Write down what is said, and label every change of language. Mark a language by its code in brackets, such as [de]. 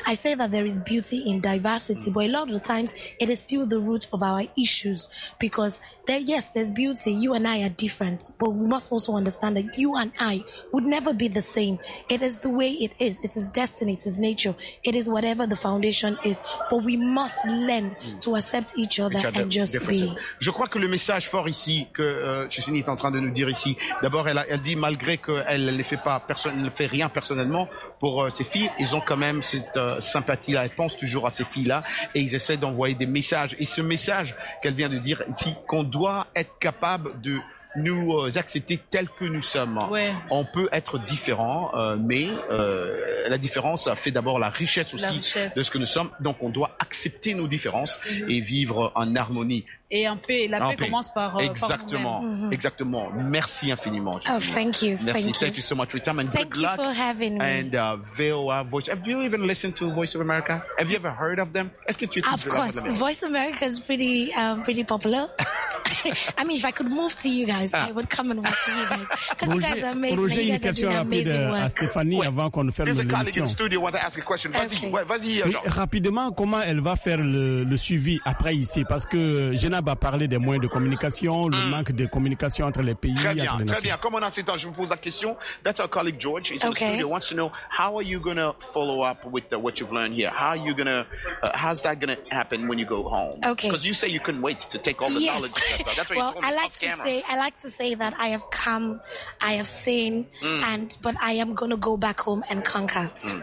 [en] I say that there is beauty in diversity, but a lot of the times it is still the root of our issues because there's beauty. You and I are different, but we must also understand that you and I would never be the same. It is the way it is. It is destiny. It is nature. It is whatever the foundation is, but we must learn to accept each other and just be. [fr] Je crois que le message fort ici que Chisini est en train de nous dire ici, d'abord elle dit malgré qu'elle ne fait pas personne, ne fait rien personnellement pour ces filles, ils ont quand même cette sympathie là, elles pensent toujours à ces filles là et ils essaient d'envoyer des messages. Et ce message qu'elle vient de dire ici, qu'on doit être capable de nous accepter tels que nous sommes. Ouais. On peut être différent, mais la différence fait d'abord la richesse aussi de ce que nous sommes. Donc on doit accepter nos différences et vivre en harmonie. Et en paix. La paix commence par exactement, par vous-même. Exactement. Merci infiniment. [en] Oh, thank you. [fr] Merci. [en] Thank you so much for your time and thank good luck. Thank you for having me. And VOA Voice. Have you even listened to Voice of America? Have you ever heard of them? [fr] Est-ce que tu [en] Of course, Voice of America is pretty, pretty popular. I mean, if I could move to you guys, I would come and work with you guys. Because you guys are amazing. Roger, you guys are doing amazing work. [fr] À Stéphanie avant qu'on ferme [en] There's [fr] l'émission. [en] A colleague in the studio who wants to ask a question. [fr] Vas-y, okay. Vas-y. Genre. Mais rapidement, comment elle va faire le suivi après ici? Parce que Jenab a parlé des moyens de communication, le manque de communication entre les pays. Très bien, entre les nations. Très bien. Comme on a cet âge, je vous pose la question. [en] That's our colleague George. He's in the studio. He wants to know, how are you going to follow up with what you've learned here? How are you going to, how's that going to happen when you go home? Okay. Because you say you couldn't wait to take all the knowledge. Well, I like to say that I have come, I have seen, but I am going to go back home and conquer. Mm.